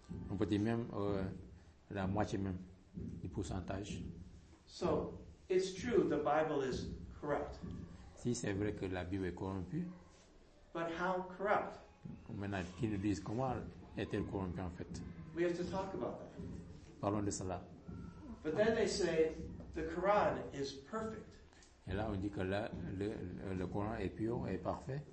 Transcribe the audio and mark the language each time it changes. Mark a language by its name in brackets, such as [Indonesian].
[French] On peut dire même la moitié même du pourcentage. [English] So it's true the Bible is corrupt. [French] Si c'est vrai que la Bible est corrompue. [English] But how corrupt? [French] Maintenant, qui nous dit comment est-elle corrompue en fait? [English] We have to talk about that. [French] Parlons de cela. [English] But then they say the Quran is perfect. [French] Et là, on dit que là, le Coran est pur et parfait.